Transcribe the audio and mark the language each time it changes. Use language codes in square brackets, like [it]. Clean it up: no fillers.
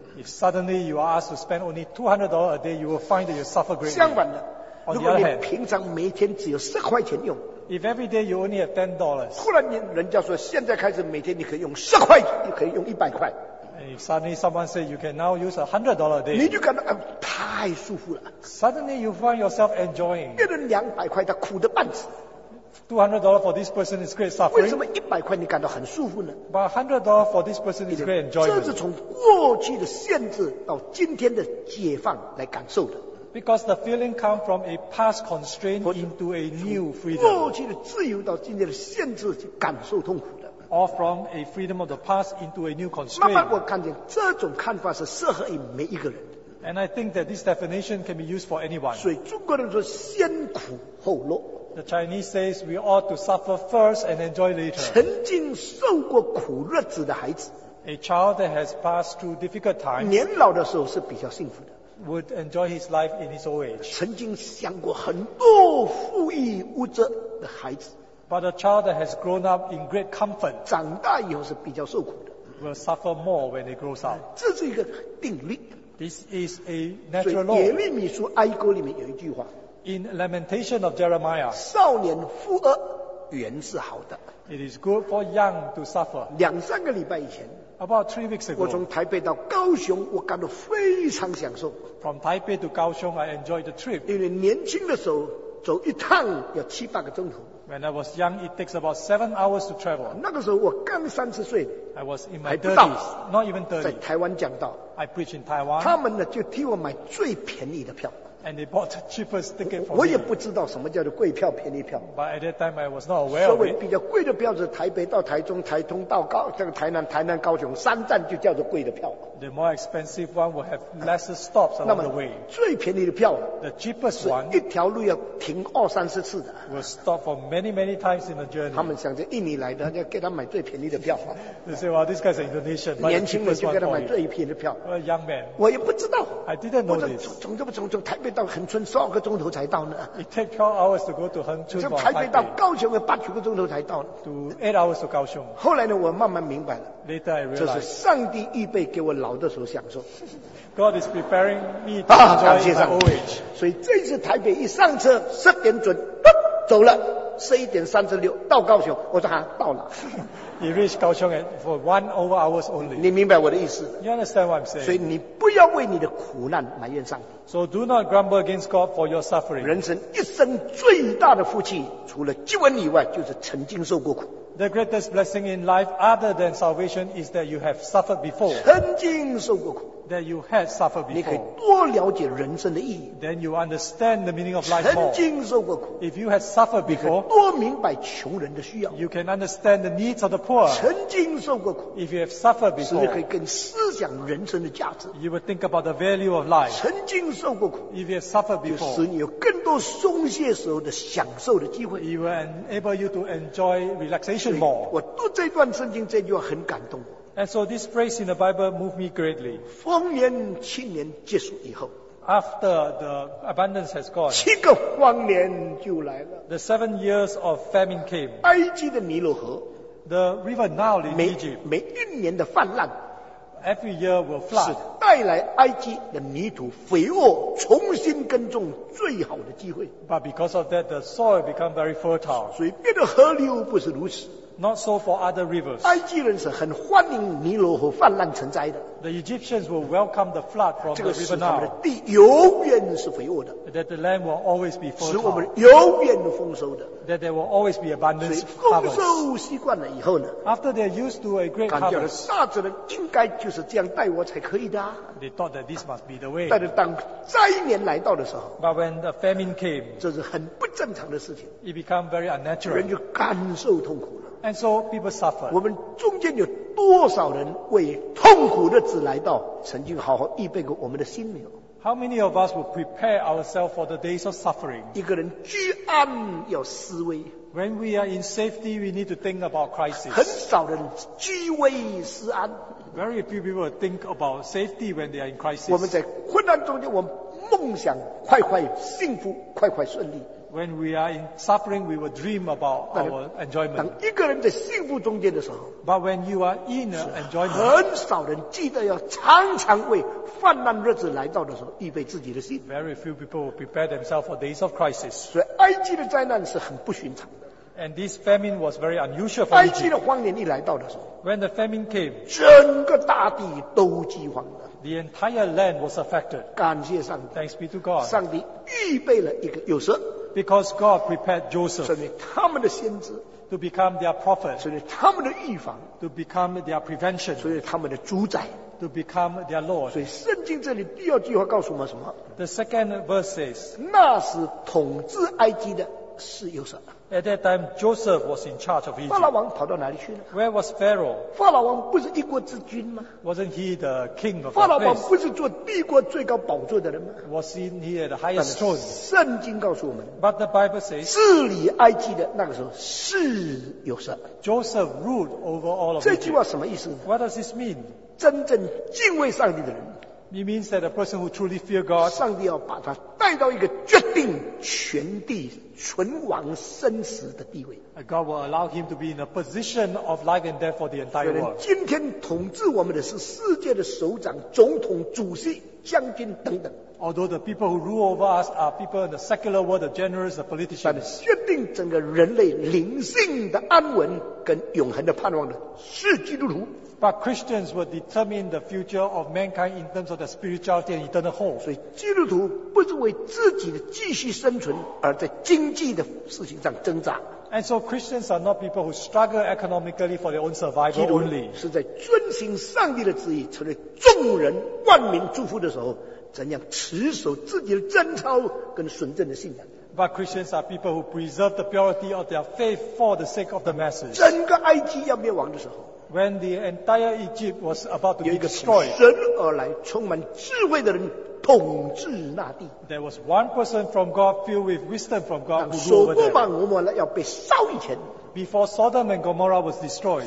[en] If suddenly you are asked to spend only $200 a day, you will find that you suffer greatly. [zh] 相反的，如果你平常每天只有10块钱用 [en] ，If every day you only have $10, [zh] 突然间人家说现在开始每天你可以用10块，你可以用100块。 [en] And if suddenly someone says you can now use $100 a day, [zh] 你就感到太舒服了。 [en] Suddenly you find yourself enjoying. [zh] 别人200块他苦得半死。 [en] $200 for this person is great suffering. [zh] 为什么100块你感到很舒服呢？ [en] But $100 for this person is great enjoyment. [zh] 这是从过去的限制到今天的解放来感受的。 [en] Because the feeling comes from a past constraint into a new freedom. [zh] 从过去的自由到今天的限制去感受痛苦的。 [en] Or from a freedom of the past into a new constraint. [zh] 慢慢我看见这种看法是适合于每一个人。 [en] And I think that this definition can be used for anyone. [zh] 所以中国人说先苦后乐。 [en] The Chinese says we ought to suffer first and enjoy later. [zh] 曾经受过苦日子的孩子， [en] a child that has passed through difficult times, [zh] 年老的时候是比较幸福的， [en] would enjoy his life in his old age. [zh] 曾经想过很多富裕物质的孩子， [en] but a child that has grown up in great comfort, [zh] 长大以后是比较受苦的， [en] will suffer more when he grows up. [zh] 这是一个定律， [en] this is a natural law. [zh] 所以耶利米书哀歌里面有一句话。 [en] In Lamentation of Jeremiah, [zh] 少年富额原是好的。 [en] It is good for young to suffer. [zh] 两三个礼拜以前 [en] ，About three weeks ago， [zh] 我从台北到高雄，我感到非常享受。 [en] From Taipei to 高雄 ，I enjoyed the trip. [zh] 因为年轻的时候走一趟要七八个钟头。 [en] When I was young, it takes about 7 hours to travel. [zh] 那个时候我刚三十岁 [en] ，I was in my 30s, not even 30. [zh] 在台湾讲道 [en] ，I preach in Taiwan. [zh] 他们呢就替我买最便宜的票。 [en] And they bought the cheapest ticket for me. [zh] 我也不知道什么叫做贵票便宜票。 [en] But at that time I was not aware of it. [zh] 所谓比较贵的票是台北到台中，台中到高，这个台南，台南高雄三站就叫做贵的票。 [en] The more expensive one will have lesser stops along the way. [zh] 最便宜的票 [en] ，The cheapest one, [zh] 一条路要停二三十次的。 [en] Will stop for many times in the journey. [zh] 他们想着印尼来的，要给他买最便宜的票。 [en] They say, well, this guy's Indonesian. [zh] 年轻人就给他买最便宜的票。 [en] A young man. [zh] 我也不知道。 [en] I didn't know this. [zh] 从台北到恒春十二个钟头才到呢。 [en] It takes 12 hours to go to 恒春。 [zh] 从台北到高雄要八九个钟头才到。 [en] To 8 hours to 高雄。 [zh] 后来呢，我慢慢明白了。 [en] Later I realized. [zh] 这是上帝预备给我老的时候享受。 [en] God is preparing me to enjoy my old age. [zh] 所以这次台北一上车，十点准，走了，11:36到高雄，我说哈，到了。 [en] He reached 高雄 for 1 hour only. [zh] 你明白我的意思 [en] ？You understand what I'm saying? [zh] 所以你不要为你的苦难埋怨上帝。 [en] So do not grumble against God for your suffering. [zh] 人生一生最大的福气，除了救恩以外，就是曾经受过苦。 [en] The greatest blessing in life, other than salvation, is that you have suffered before. [zh] 曾经受过苦。 [en] That you had suffered before. [zh] 你可以多了解人生的意义。 [en] Then you understand the meaning of life more. [zh] 曾经受过苦。 [en] If you had suffered before, [zh] 你可以多明白穷人的需要。 [en] You can understand the needs of the poor. [zh] 曾经受过苦。 [en] If you have suffered before, [zh] 使你可以更思想人生的价值。 [en] You will think about the value of life. [zh] 曾经受过苦。 [en] If you have suffered before, [zh] 使你有更多松懈时候的享受的机会。 [en] It will enable you to enjoy relaxation more. [zh] 我读这段圣经这句话很感动。 [en] And so this phrase in the Bible moved me greatly. [zh] 荒年七年结束以后 [en] After the abundance has gone, [zh] 七个荒年就来了 [en] The 7 years of famine came. [zh] 埃及的尼罗河 [en] The river Nile in Egypt. [zh] 每一年的泛滥 [en] Every year will flood. [zh] 是带来埃及的泥土肥沃重新耕种最好的机会 [en] But because of that, the soil become very fertile. [zh] 所以别的河流不是如此 [en] Not so for other rivers. [zh] 埃及人是很欢迎尼罗河泛滥成灾的。 [en] The Egyptians will welcome the flood from the river Nile. [zh] 这个使他们的地永远是肥沃的。 [en] That the land will always be fertile. [zh] 使我们永远的丰收的。 [en] That there will always be abundance. [zh] 所以丰收习惯了以后呢 [en] ？After they're used to a great harvest. [zh] 感觉大自然应该就是这样待我才可以的、啊。 [en] They thought that this must be the way. [zh] 但是当灾年来到的时候 [en] ，But when the famine came, [zh] 这是很不正常的事情。 [en] It became very unnatural. [zh] 人就感受痛苦了。 [en] And so people suffer. [zh] 我们中间有多少人为痛苦日子来到，曾经好好预备过我们的心没有 [en] ？How many of us will prepare ourselves for the days of suffering? [zh] 一个人居安要思危。 [en] When we are in safety, we need to think about crisis. [zh] 很少人居危思安。 [en] Very few people think about safety when they are in crisis. [zh] 我们在困难中间，我们梦想快快幸福，快快顺利。 [en] When we are in suffering, we will dream about our enjoyment. [zh] 当一个人在幸福中间的时候 [en] ，But when you are in enjoyment, [zh] 很少人记得要常常为患难日子来到的时候预备自己的心。 [en] Very few people will prepare themselves for days of crisis. [zh] 所以埃及的灾难是很不寻常的。 [en] And this famine was very unusual for Egypt. [zh] 埃及的荒年一来到的时候 [en] ，When the famine came, [zh] 整个大地都饥荒了。 [en] The entire land was affected. [zh] 感谢上帝 [en] ，Thanks be to God. [zh] 上帝预备了一个约瑟。 [en] Because God prepared Joseph [zh] 成为他们的先知 [en] to become their prophet [zh] 成为他们的预防 [en] to become their prevention [zh] 成为他们的主宰 [en] to become their Lord [zh] 所以圣经这里第二句话告诉我们什么 [en] The second verse says [zh] 那时统治埃及的是约瑟 [en] At that time Joseph was in charge of Egypt [zh] 法老王跑到哪里去了 [en] Where was Pharaoh [zh] 法老王不是一国之君吗 [en] Wasn't he the king of the place [zh] 法老王不是坐帝国最高宝座的人吗 [en] Wasn't he at the highest throne [zh] 圣经告诉我们 [en] But the Bible says [zh] 治理埃及的那个时候是约瑟 [en] Joseph ruled over all of Egypt [zh] 这句话什么意思 [en] What does this mean [zh] 真正敬畏上帝的人 [en] It means that a person who truly fear God [zh] 上帝要把他带到一个决定全地存亡生死的地位。 [en] God will allow him to be in a position of life and death for the entire world. [zh] 今天统治我们的是世界的首长、总统、主席、将军等等。 [en] Although the people who rule over us are people in the secular world, the generals, the politicians. [zh] 但决定整个人类灵性的安稳跟永恒的盼望的是基督徒。 [en] But Christians will determine the future of mankind in terms of the spirituality and eternal hope. [zh] 所以基督徒不是为自己的继续生存而在经济的事情上挣扎。 [en] And so Christians are not people who struggle economically for their own survival only. [zh] 是在遵行上帝的旨意，成为众人万民祝福的时候，怎样持守自己的贞操跟纯正的信仰。 [en] But Christians are people who preserve the purity of their faith for the sake of the masses. [zh] 整个埃及要灭亡的时候。 [en] When the entire Egypt was about to be destroyed, [zh] 有一个从神而来充满智慧的人统治那地。 [en] There was one person from God filled with wisdom from God who ruled over there. [zh] 索多玛、俄摩拉要被烧以前。 [en] Before Sodom and Gomorrah was destroyed,